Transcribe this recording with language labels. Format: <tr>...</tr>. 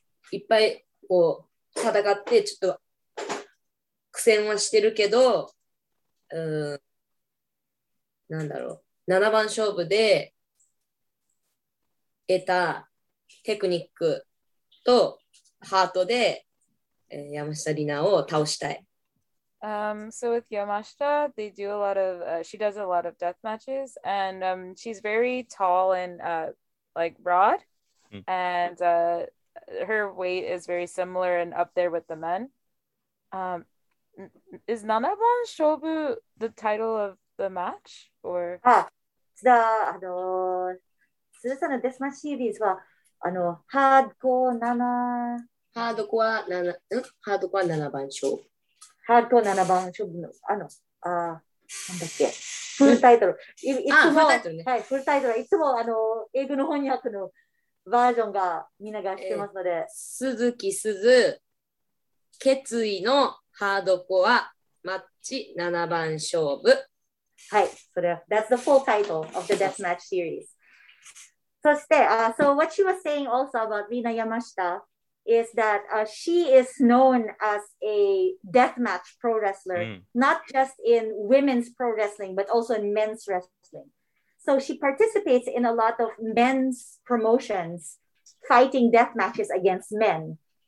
<ja>いっぱいこう戦ってちょっと苦戦はしてるけど、なんだろう、7番勝負で得たテクニックとハートで、山下里奈を倒したい。</ja> <en>So with Yamashita, they do a lot of, she does a lot of death matches, and she's very tall and like broad, and her weight is very similar and up there with the men. Is Nanaban Shobu the title of the match, or? Suzu-san's death match series was Hardcore Nanaban Shobu.</en> <ja>ハードコア7番勝負の、なんだっけ、フルタイトル。はい、フルタイトルはいつも英語の翻訳のバージョンがみんながしてますので。鈴木鈴、決意のハードコアマッチ7番勝負。はい、それは、</ja> <en>that's the full title of the Deathmatch series.</en> <ja>そして、</ja> <en>so what she was saying also about Rina Yamashita. Is that she is known as a deathmatch pro wrestler, not just in women's pro wrestling, but also in men's wrestling. So she participates in a lot of men's promotions, fighting deathmatches against men.</en>